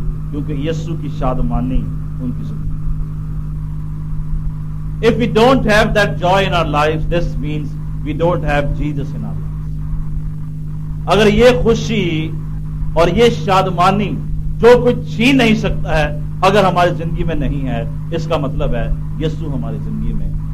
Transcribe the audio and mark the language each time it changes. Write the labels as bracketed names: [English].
[Urdu] کیونکہ یسو کی شادمانی ان کی زندگی. [English] If we don't have that joy in our lives, this means we don't have Jesus in our lives. [Urdu] اگر یہ خوشی اور یہ شادمانی جو کچھ چھین نہیں سکتا ہے اگر ہماری زندگی میں نہیں ہے, اس کا مطلب ہے یسو ہماری زندگی میں.